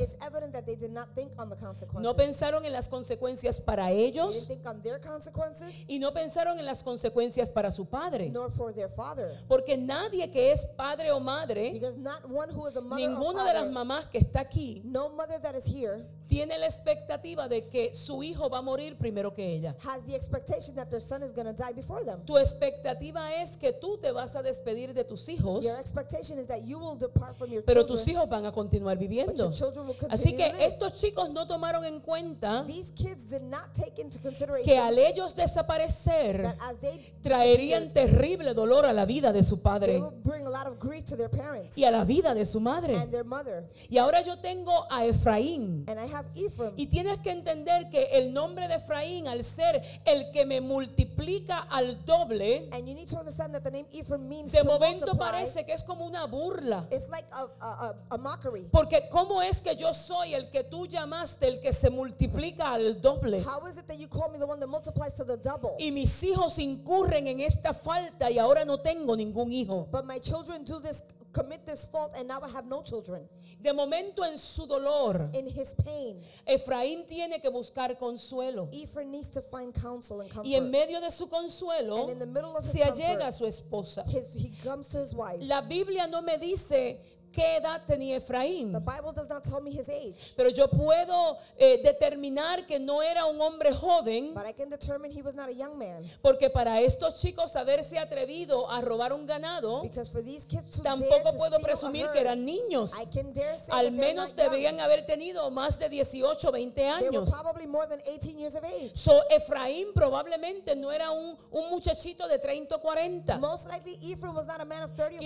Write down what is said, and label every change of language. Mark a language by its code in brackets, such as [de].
[en] It's evident that they did not think on the consequences. [es] No pensaron en las consecuencias para ellos, [en] they didn't think on their consequences, [es] y no pensaron en las consecuencias para su padre. [en] Nor for their father. [es] Porque nadie que es padre o madre, [en] because not one who is a mother [es] ninguna [en] or [es] father, de las mamás que está aquí, [en] no mother that is here, [es] tiene la expectativa de que su hijo va a morir primero que ella. [en] Has the expectation that their son is going to die before them. [es] Tu expectativa es que tú te vas a despedir de tus hijos. [en] Your expectation is that you will depart from your [es] pero [en] children. [es] Pero tus hijos van a continuar viviendo. [en] But your children will continue. [es] Así que estos chicos no tomaron en cuenta, [en] these kids did not take into consideration, [es] que al ellos desaparecer [en] that as they [es] traerían terrible dolor a la vida de su padre, [en] they will bring a lot of grief to their parents, [es] y a la vida de su madre [en] and their mother. [es] Y ahora yo tengo a Efraín, [en] and I have Ephraim. [es] Y tienes que entender que el nombre de Efraín, al ser el que me multiplica al doble, [en] and you need to understand that the name Ephraim means [es] de momento [en] multiply, [es] parece que es como una burla. [en] It's like a mockery. [es] Porque cómo es que yo soy el que tú llamaste el que se multiplica al doble, [en] how is it that you call me the one that multiplies to the double, [es] y mis hijos incurren en esta falta y ahora no tengo ningún hijo, [en] but my children do this, commit this fault, and now I have no children. [es] De momento en su dolor, [en] in his pain, [es] Efraín tiene que buscar consuelo. [en] Ephraim needs to find counsel and comfort. [es] Y en medio de su consuelo, [en] and in the middle of his [es] se allega [en] comfort, [es] a su esposa. [en] He comes to his wife. [es] La Biblia no me dice qué edad tenía Efraín. [en] The Bible does not tell me his age. [es] Pero yo puedo determinar que no era un hombre joven. [en] But I can determine he was not a young man. [es] Porque para estos chicos haberse atrevido a robar un ganado, [en] because for these kids to [es] tampoco [en] dare [es] puedo [en] to [es] presumir [en] herd, [es] que eran niños. [en] I can dare say [es] al menos debían haber tenido más de 18 o 20 años. [en] They were probably more than 18 years of age. [es] So Efraín probablemente no era un muchachito de 30 o 40. [en] Most likely Ephraim was not a man of 30 or 40